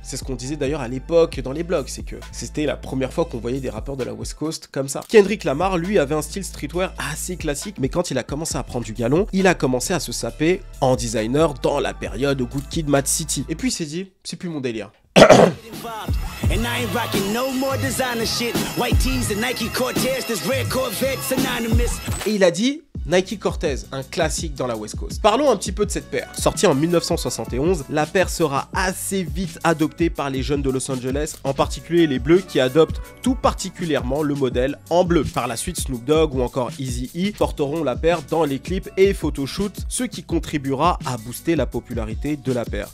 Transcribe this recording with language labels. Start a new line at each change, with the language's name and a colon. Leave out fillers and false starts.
French: C'est ce qu'on disait d'ailleurs à l'époque dans les blogs, c'est que c'était la première fois qu'on voyait des rappeurs de la West Coast comme ça. Kendrick Lamar, lui, avait un style streetwear assez classique, mais quand il a commencé à prendre du galon, il a commencé à se saper en designer dans la période Good Kid, Mad City. Et puis il s'est dit, c'est plus mon délire.
English: And I ain't rocking no more designer shit. White tees and Nike Cortez, this red Corvette synonymous.
French: Et il a dit Nike Cortez, un classique dans la West Coast. Parlons un petit peu de cette paire. Sortie en 1971, la paire sera assez vite adoptée par les jeunes de Los Angeles, en particulier les bleus qui adoptent tout particulièrement le modèle en bleu. Par la suite, Snoop Dogg ou encore Eazy-E porteront la paire dans les clips et photoshoots, ce qui contribuera à booster la popularité de la paire.